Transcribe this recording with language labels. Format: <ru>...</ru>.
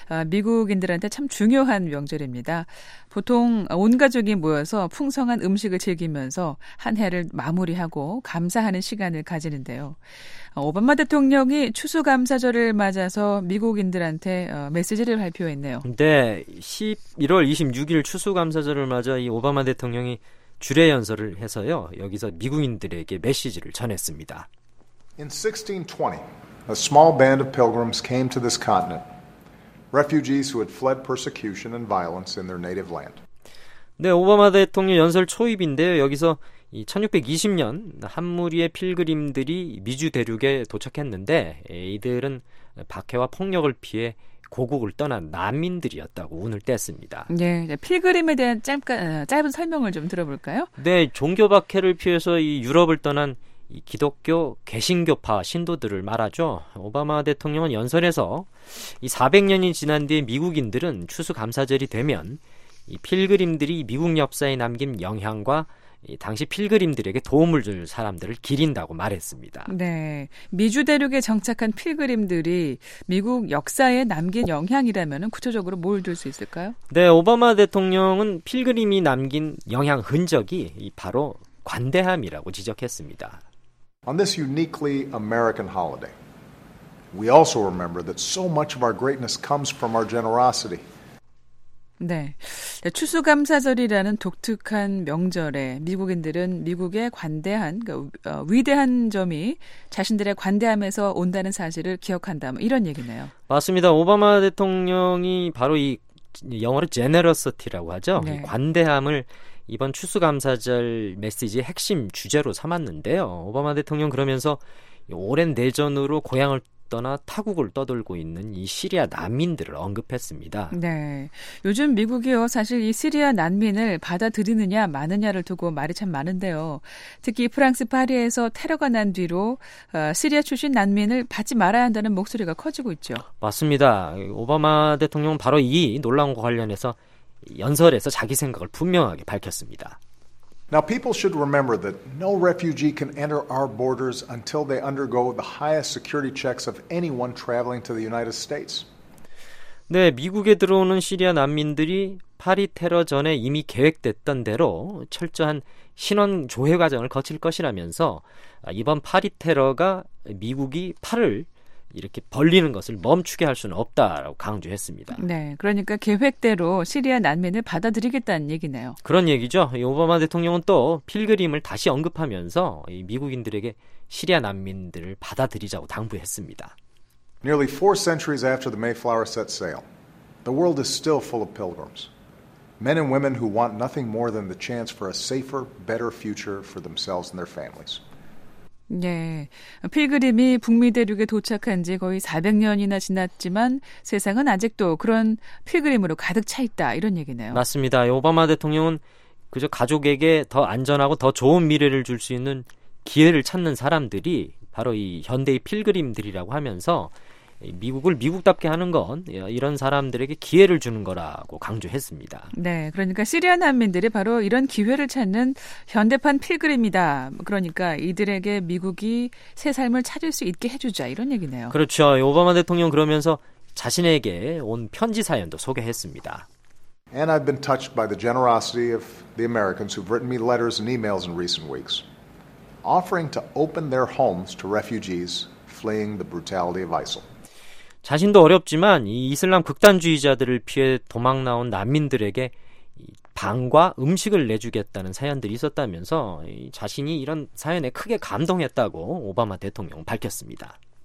<ko>미국인들한테 참 중요한 명절입니다. 보통 온 가족이 모여서 풍성한 음식을 즐기면서 한 해를 마무리하고 감사하는 시간을 가지는데요. 오바마 대통령이 추수감사절을 맞아서 미국인들한테 메시지를 발표했네요. 네, 11월 26일 추수감사절을 맞아 이 오바마 대통령이 주례 연설을 해서요, 여기서 미국인들에게 메시지를 전했습니다.</ko> <en>In 1620, a small band of pilgrims came to this continent. Refugees who had fled persecution and violence in their native land.</en> <ko>네, 오바마 대통령 연설 초입인데요. 여기서 이 1620년 한 무리의 필그림들이 미주 대륙에 도착했는데 이들은 박해와 폭력을 피해 고국을 떠난 난민들이었다고 운을 뗐습니다. 네, 필그림에 대한 짧은 설명을 좀 들어볼까요? 네, 종교 박해를 피해서 이 유럽을 떠난 이 기독교 개신교파 신도들을 말하죠. 오바마 대통령은 연설에서 이 400년이 지난 뒤에 미국인들은 추수감사절이 되면 이 필그림들이 미국 역사에 남긴 영향과 당시 필그림들에게 도움을 줄 사람들을 기린다고 말했습니다. 네, 미주 대륙에 정착한 필그림들이 미국 역사에 남긴 영향이라면 구체적으로 뭘 줄 수 있을까요? 네, 오바마 대통령은 필그림이 남긴 영향 흔적이 바로 관대함이라고 지적했습니다.</ko> <en>On this uniquely American holiday, we also remember that so much of our greatness comes from our generosity.</en> <ko>네, 추수감사절이라는 독특한 명절에 미국인들은 미국의 관대한, 그러니까 위대한 점이 자신들의 관대함에서 온다는 사실을 기억한다, 뭐 이런 얘기네요. 맞습니다. 오바마 대통령이 바로 이 영어로 generosity라고 하죠. 네. 관대함을 이번 추수감사절 메시지의 핵심 주제로 삼았는데요. 오바마 대통령 그러면서 오랜 내전으로 고향을 떠나 타국을 떠돌고 있는 이 시리아 난민들을 언급했습니다. 네, 요즘 미국이요, 사실 이 시리아 난민을 받아들이느냐 마느냐를 두고 말이 참 많은데요. 특히 프랑스 파리에서 테러가 난 뒤로 시리아 출신 난민을 받지 말아야 한다는 목소리가 커지고 있죠. 맞습니다. 오바마 대통령은 바로 이 논란과 관련해서 연설에서 자기 생각을 분명하게 밝혔습니다.</ko> <en>Now people should remember that no refugee can enter our borders until they undergo the highest security checks of anyone traveling to the United States.</en> <ko>네, 미국에 들어오는 시리아 난민들이 파리 테러 전에 이미 계획됐던 대로 철저한 신원 조회 과정을 거칠 것이라면서 이번 파리 테러가 미국이 팔을 이렇게 벌리는 것을 멈추게 할 수는 없다라고 강조했습니다. 네, 그러니까 계획대로 시리아 난민을 받아들이겠다는 얘기네요. 그런 얘기죠. 오바마 대통령은 또 필그림을 다시 언급하면서 미국인들에게 시리아 난민들을 받아들이자고 당부했습니다.</ko> <en>Nearly four centuries after the Mayflower set sail, the world is still full of pilgrims. Men and women who want nothing more than the chance for a safer, better future for themselves and their families.</en> <ko>네, 필그림이 북미 대륙에 도착한 지 거의 400년이나 지났지만 세상은 아직도 그런 필그림으로 가득 차 있다 이런 얘기네요. 맞습니다. 오바마 대통령은 그저 가족에게 더 안전하고 더 좋은 미래를 줄 수 있는 기회를 찾는 사람들이 바로 이 현대의 필그림들이라고 하면서 미국을 미국답게 하는 건 이런 사람들에게 기회를 주는 거라고 강조했습니다. 네, 그러니까 시리아 난민들이 바로 이런 기회를 찾는 현대판 필그림이다. 그러니까 이들에게 미국이 새 삶을 찾을 수 있게 해주자 이런 얘기네요. 그렇죠. 오바마 대통령 그러면서 자신에게 온 편지 사연도 소개했습니다.</ko> <en>And I've been touched by the generosity of the Americans who've written me letters and emails in recent weeks, offering to open their homes to refugees fleeing the brutality of ISIL.</en> <ko>자신도 어렵지만 이 이슬람 극단주의자들을 피해 도망 나온 난민들에게 방과 음식을 내주겠다는 사연들이 있었다면서 자신이 이런 사연에 크게 감동했다고 오바마 대통령은 밝혔습니다.</ko>